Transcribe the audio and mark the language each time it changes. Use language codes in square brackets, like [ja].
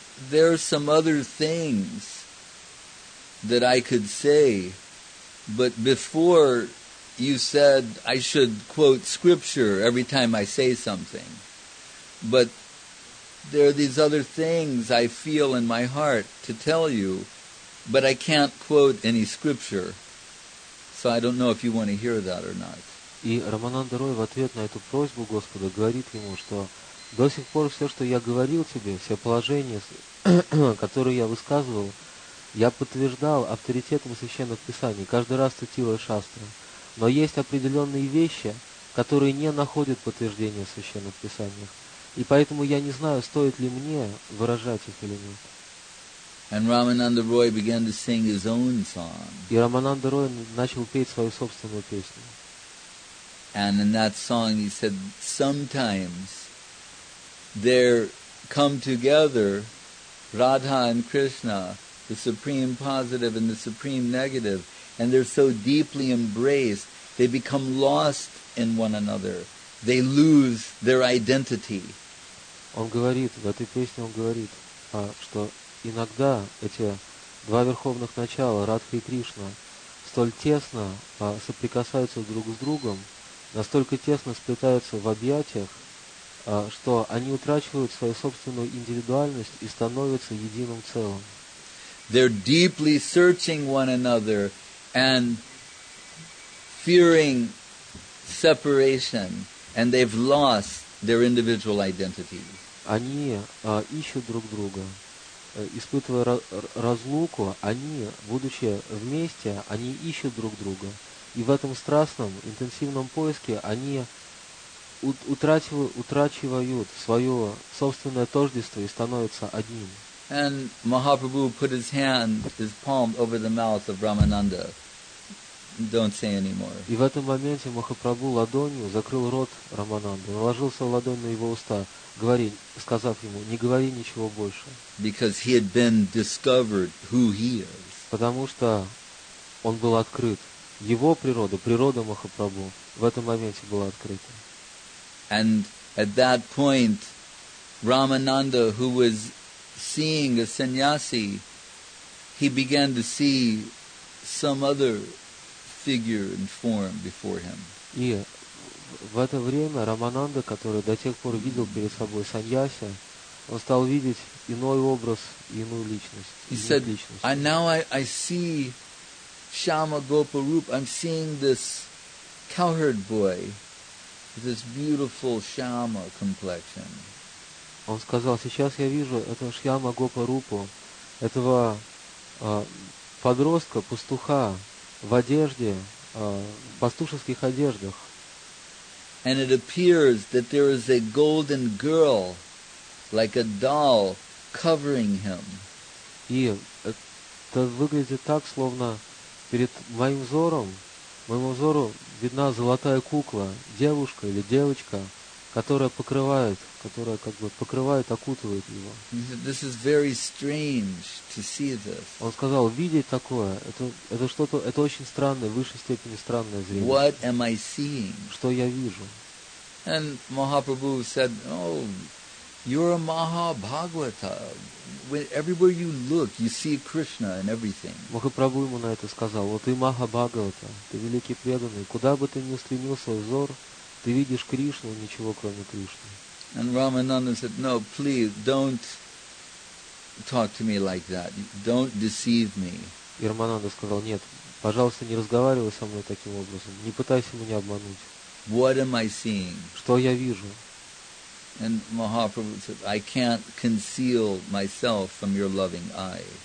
[en] there are some other things that I could say, but before you said I should quote scripture every time I say something, but there are these other things I feel in my heart to tell you, but I can't quote any scripture, so I don't know if you want to hear that or not. [ru] И Рамананд Рой в ответ на эту просьбу Господа говорит ему, что до сих пор все, что я говорил тебе, все положения, которые я высказывал, я подтверждал авторитетом священных писаний, каждый раз цитируя шастры. Но есть определенные вещи, которые не находят подтверждения в священных писаниях. И поэтому я не знаю, стоит ли мне выражать их или нет. [en] And Ramananda Roy began to sing his own song. [ru] И Рамананд Рой начал петь свою собственную песню. [en] And in that song he said, sometimes there come together Radha and Krishna, the supreme positive and the supreme negative, and they're so deeply embraced, they become lost in one another. They lose their identity. [ru] Он говорит, в этой песне он говорит, что иногда эти два верховных начала, Радха и Кришна, столь тесно соприкасаются друг с другом, настолько тесно сплетаются в объятиях, что они утрачивают свою собственную индивидуальность и становятся единым целым. [en] They're deeply searching one another and fearing separation, and they've lost their individual identity. [ru] Они ищут друг друга, испытывая разлуку, они, будучи вместе, они ищут друг друга. И в этом страстном, интенсивном поиске они утрачивают свое собственное тождество и становятся одним. [en] And Mahaprabhu put his hand, his palm, over the mouth of Ramananda. Don't say anymore. [ru] И в этом моменте Махапрабху ладонью закрыл рот Рамананды, наложил свою ладонь на его уста, говори, сказав ему, не говори ничего больше. [en] Because he had been discovered who he is. [ru] Потому что он был открыт. Его природа, природа Махапрабху, в этом моменте была открыта. [en] And at that point, Ramananda, who was seeing a sannyasi, he began to see some other figure and form before him. [ru] И в это время Рамананда, который до тех пор видел перед собой саньяси, он стал видеть иной образ, иную личность. [en] He said, "And now I see Shyama Gopa Rupa. I'm seeing this cowherd boy, this beautiful Shyama complexion." [ru] Он сказал, сейчас я вижу этого Шьяма Гопа Рупу, этого подростка, пастуха в одежде, в пастушеских одеждах. [en] And it appears that there is a golden girl, like a doll, covering him. [ru] И это выглядит так, словно перед моему взору видна золотая кукла, девушка или девочка, которая как бы покрывает, окутывает его. [en] This is very strange to see this. [ru] Он сказал, видеть такое, это что-то, это очень странное, в высшей степени странное зрение. [en] What am I seeing? [ru] Что я вижу? [en] And Mahaprabhu said, oh, you're a Mahabhagavata. Everywhere you look, you see Krishna in everything. [ru] Махапрабху ему на это сказал, вот ты Махабхагавата, ты великий преданный, куда бы ты ни устремил свой взор, ты видишь Кришну, ничего кроме Кришны. [en] And Ramananda said, no, please, don't talk to me like that. Don't deceive me. [ru] И Рамананда сказал, нет, пожалуйста, не разговаривай со мной таким образом. Не пытайся меня обмануть. [en] What am I seeing? [ru] Что я вижу? [en] And Mahaprabhu said, I can't conceal myself from your loving eye.